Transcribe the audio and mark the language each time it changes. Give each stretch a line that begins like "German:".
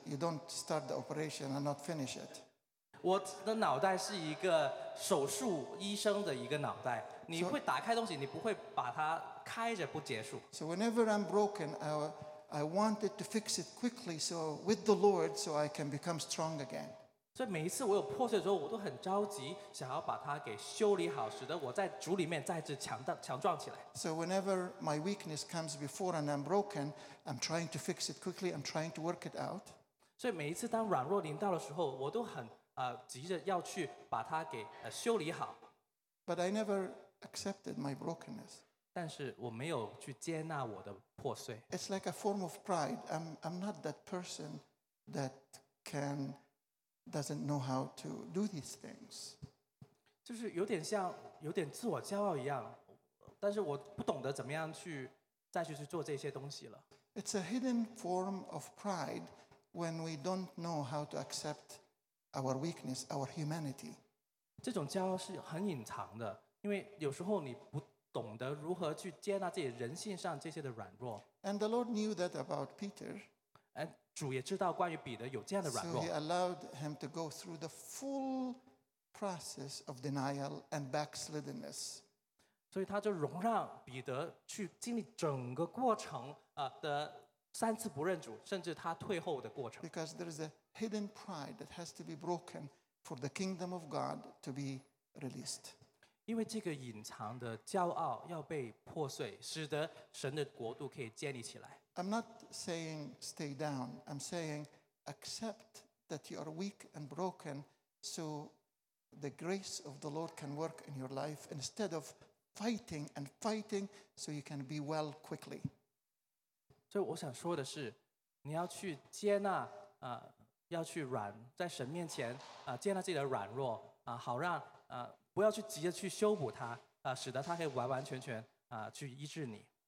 English: You don't start the operation and not finish it.
Chinese: 我的脑袋是一个手术医生的一个脑袋，你会打开东西，你不会把它开着不结束。
English: So whenever I'm broken, I I wanted to fix it quickly so with the Lord so I can become strong again.
Chinese: 所以每一次我有破碎的时候，我都很着急，想要把它给修理好，使得我在主里面再次强壮起来。
English: So whenever my weakness comes before and I'm broken, I'm trying to fix it quickly. I'm trying to work it out.
Chinese: 所以每一次当软弱临到的时候，我都很急着要去把它给修理好。
English: But I never accepted my brokenness.
Chinese: 但是我没有去接纳我的破碎。
English: It's like a form of pride. I'm not that person that can. Doesn't know how to do these things.
Chinese: 就是有点像有点自我骄傲一样，但是我不懂得怎么样去再去做这些东西了。
English: It's a hidden form of pride when we don't know how to accept our weakness, our humanity.
Chinese: 这种骄傲是很隐藏的，因为有时候你不懂得如何去接纳自己人性上这些的软弱。
English: And the Lord knew that about Peter.
Chinese: 主也知道关于彼得有这样的软弱。
English: So he allowed him to go through the full process of denial and backsliddenness.
Chinese: 所以他就容让彼得去经历整个过程的三次不认主，甚至他退后的过程。
English: Because there is a hidden pride that has to be broken for the kingdom of God to be released.
Chinese: 因为这个隐藏的骄傲要被破碎，使得神的国度可以建立起来。
English: I'm not saying stay down. I'm saying accept that you are weak and broken so the grace of the Lord can work in your life instead of fighting and fighting so you can be well quickly.
Chinese: 所以我想说的是，你要去接纳，要去软，在神面前，接纳自己的软弱，好让，不要去急着去修补它，使得它可以完完全全，去医治你。